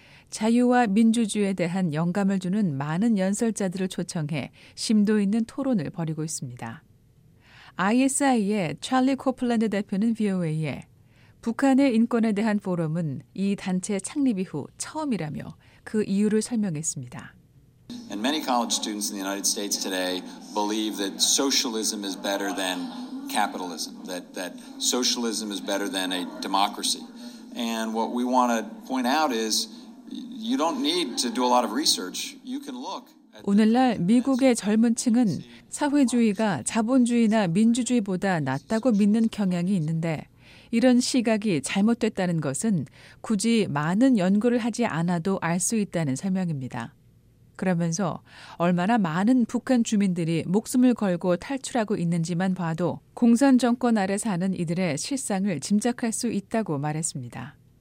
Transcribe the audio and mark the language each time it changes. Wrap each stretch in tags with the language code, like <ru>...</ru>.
<ko>자유와 민주주의에 대한 영감을 주는 많은 연설자들을 초청해 심도 있는 토론을 벌이고 있습니다. ISI의 찰리 코플랜드 대표는 VOA에 북한의 인권에 대한 포럼은 이 단체 창립 이후 처음이라며 그 이유를 설명했습니다.</ko> <en>And many college students in the United States today believe that socialism is better than capitalism, that socialism is better than a democracy. And what we want to point out is you don't need to do a lot of research. You can look.</en> <ko>오늘날 미국의 젊은 층은 사회주의가 자본주의나 민주주의보다 낫다고 믿는 경향이 있는데 이런 시각이 잘못됐다는 것은 굳이 많은 연구를 하지 않아도 알 수 있다는 설명입니다. 그러면서 얼마나 많은 북한 주민들이 목숨을 걸고 탈출하고 있는지만 봐도 공산 정권 아래 사는 이들의 실상을 짐작할 수 있다고 말했습니다.</ko>